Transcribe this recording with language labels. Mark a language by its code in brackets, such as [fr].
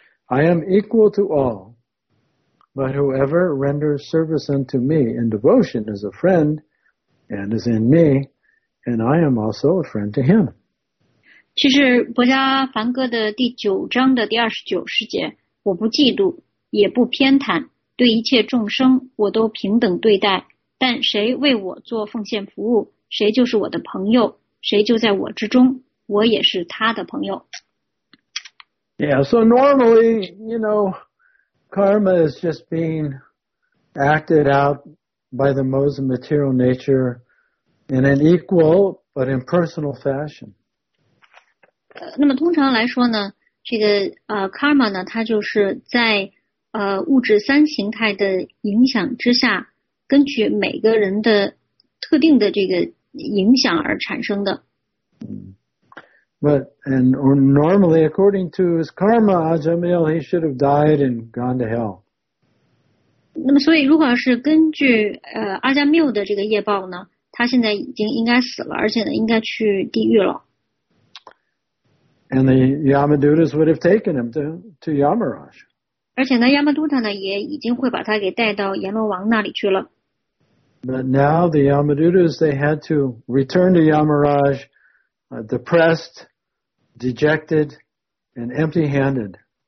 [en] I am equal to all, but whoever renders service unto me in devotion is a friend and is in me, and I am also a friend to him. [zh] 其实博迦梵歌的第九章的第二十九诗节，我不嫉妒。也不偏袒，对一切众生我都平等对待，但谁为我做奉献服务，谁就是我的朋友，谁就在我之中，我也是他的朋友。 [en] Yeah, so normally, you know, karma is just being acted out by the modes of material nature in an equal but impersonal fashion. [zh] 那么通常来说呢，这个karma 呢，它就是在物质三形态的影响之下，根据每个人的特定的这个影响而产生的。 [en] But and or normally, according to his karma, Ajamil, he should have died and gone to hell. [zh] 那么，所以如果是根据阿加缪的这个业报呢，他现在已经应该死了，而且呢，应该去地狱了。 [en] And the Yamadutas would have taken him to Yamaraj. [zh] 而且呢，亚摩都塔呢也已经会把他给带到阎罗王那里去了。 [en] But now the Yamadutas they had to return to Yamaraj, depressed, dejected, and empty-handed.